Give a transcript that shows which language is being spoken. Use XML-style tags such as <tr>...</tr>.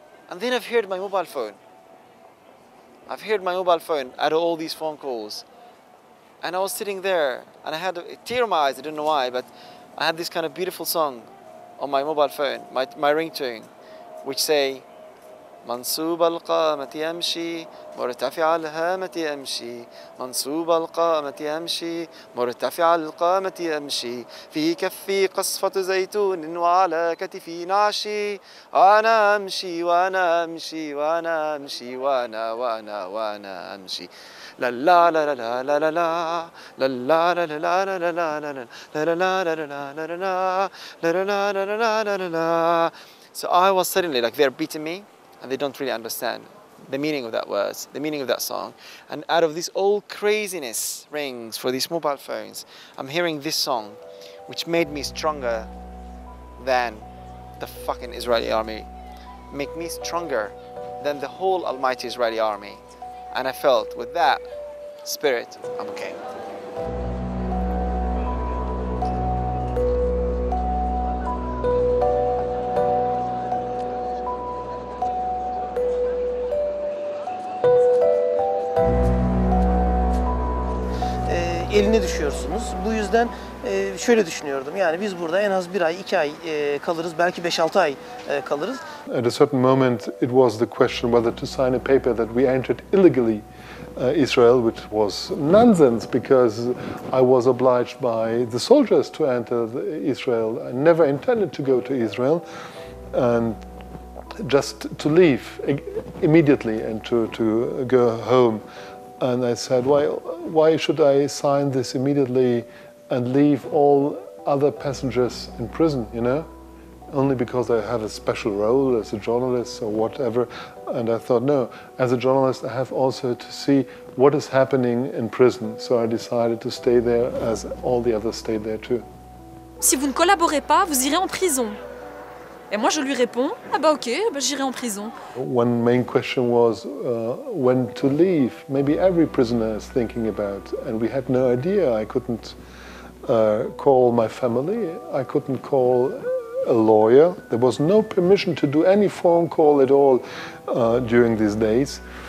<en>And then I've heard my mobile phone. I've heard my mobile phone out of all these phone calls. And I was sitting there and I had a tear in my eyes. I don't know why, but I had this kind of beautiful song on my mobile phone, my ringtone, which say,</en> <ar>منصوب القامة يمشي مرتفع الهامة يمشي منصوب القامة يمشي مرتفع القامة يمشي في كفي قصفة زيتون وعلى كتفي نعشي أنا أمشي وأنا أمشي وأنا أمشي وأنا وأنا وأنا أمشي لا لا لا لا لا لا لا لا لا لا لا لا لا لا لا لا لا لا لا لا لا لا لا لا لا لا لا لا لا لا لا لا لا لا لا لا لا لا لا لا</ar> <en>So I was suddenly like they're beating me and they don't really understand the meaning of that words, the meaning of that song. And out of this old craziness rings for these mobile phones, I'm hearing this song, which made me stronger than the fucking Israeli army, make me stronger than the whole almighty Israeli army. And I felt with that spirit, I'm okay.</en> <tr>Eline düşüyorsunuz. Bu yüzden şöyle düşünüyordum. Yani biz burada en az bir ay, iki ay kalırız. Belki 5-6 ay kalırız.</tr> <en>At a certain moment it was the question whether to sign a paper that we entered illegally Israel, which was nonsense because I was obliged by the soldiers to enter Israel. I never intended to go to Israel and just to leave immediately and to go home. And I said, why should I sign this immediately and leave all other passengers in prison, you know? Only because I have a special role as a journalist or whatever. And I thought, no, as a journalist, I have also to see what is happening in prison. So I decided to stay there as all the others stayed there too.</en> <fr>Si vous ne collaborez pas, vous irez en prison. Et moi, je lui réponds, ah bah ok, bah j'irai en prison.</fr> <en>One main question was when to leave. Maybe every prisoner is thinking about, and we had no idea. I couldn't call my family. I couldn't call a lawyer. There was no permission to do any phone call at all during these days.</en>